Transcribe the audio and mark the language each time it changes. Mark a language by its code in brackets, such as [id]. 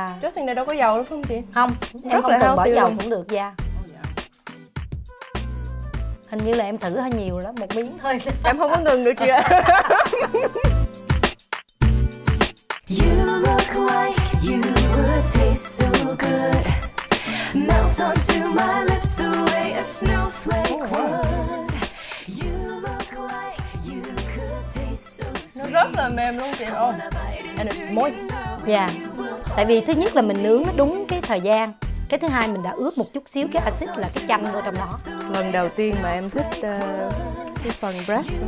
[vi] dressing này đâu có dầu đúng không chị? Không, em rất không cần bỏ dầu luôn. Cũng được da. Hình như là em thử hơi nhiều lắm, một miếng thôi. Em không có ngừng được chị ạ. [en] You look like you would taste so good. Melt onto my lips the way a snowflake would. You look like you could taste so sweet. [vi] Nó rất là mềm luôn chị. [en] And it's moist. Yeah. [vi] Tại vì thứ nhất là mình nướng nó đúng cái thời gian. Cái thứ hai mình đã ướp một chút xíu cái axit là cái chanh vô trong nó. Lần đầu tiên mà em thích cái phần breast.